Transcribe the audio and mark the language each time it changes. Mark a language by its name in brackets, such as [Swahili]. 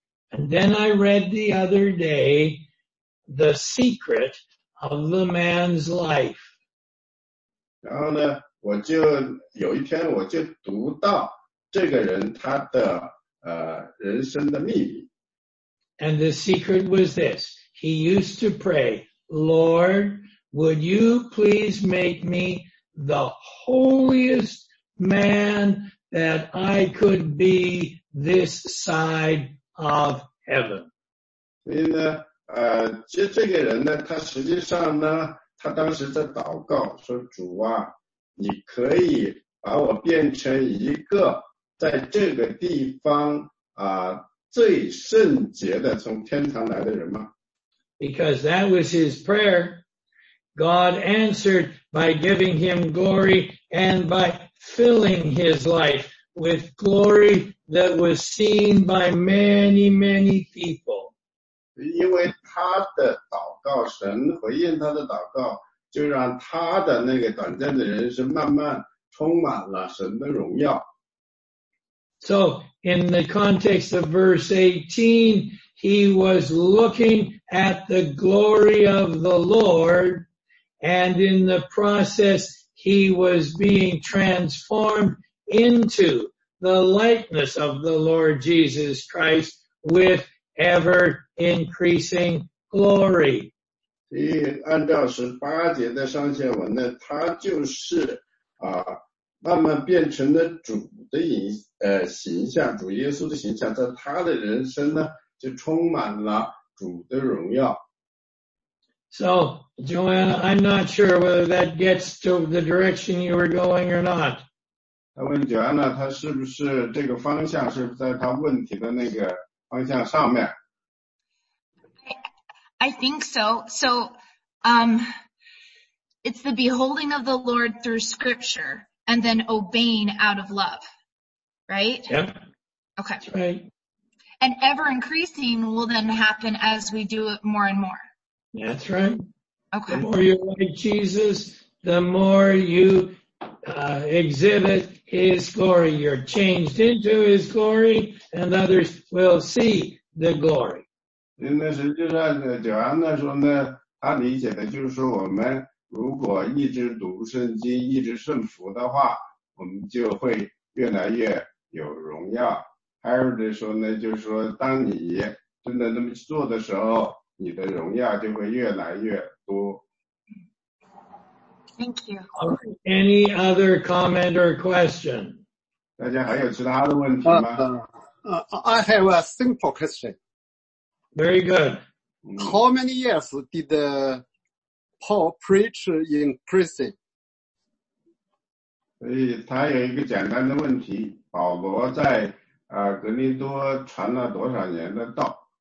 [English] And then I read the other day the secret of the man's life. [Chinese] 然后呢，我就有一天我就读到这个人他的人生的秘密。 [English] And the secret was this. He used to pray, Lord, would you please make me the holiest man that I could be this side of heaven. [Chinese] 所以呢，这个人呢，他实际上呢，他当时在祷告说，主啊，你可以把我变成一个在这个地方啊最圣洁的从天堂来的人吗？ [English] Because that was his prayer. God answered by giving him glory and by filling his life with glory that was seen by many, many people. [Chinese] 因为他的祷告，神回应他的祷告，就让他的那个短暂的人生慢慢充满了神的荣耀。 [English] So, in the context of verse 18, he was looking at the glory of the Lord, and in the process, he was being transformed into the likeness of the Lord Jesus Christ with ever-increasing glory. [Chinese] 按照18节的上下文呢，他就是啊慢慢变成了主的形象，主耶稣的形象，在他的人生呢就充满了主的荣耀。 [English] So, Joanna, I'm not sure whether that gets to the direction you were going or not. [Chinese] 他问 Joanna, 他是不是这个方向是在他问题的那个方向上面？ [English] I think so. So, it's the beholding of the Lord through scripture. And then obeying out of love, right? Yep. Okay. That's right. And ever increasing will then happen as we do it more and more. That's right. Okay. The more you're like Jesus, the more you exhibit his glory. You're changed into his glory, and others will see the glory. In the [Chinese] 实际上，Joanna说呢，他理解的就是说我们如果一直读圣经，一直顺服的话，我们就会越来越有荣耀。 Harold 说呢，就是说，当你真的那么做的时候，你的荣耀就会越来越多。 [English] Thank you. Any other comment or question? [Chinese] 大家还有其他的问题吗？ [English] I have a simple question. Very good. How many years did the Paul preach in prison. [Chinese] 所以他有一个简单的问题，保罗在格林多传了多少年的道？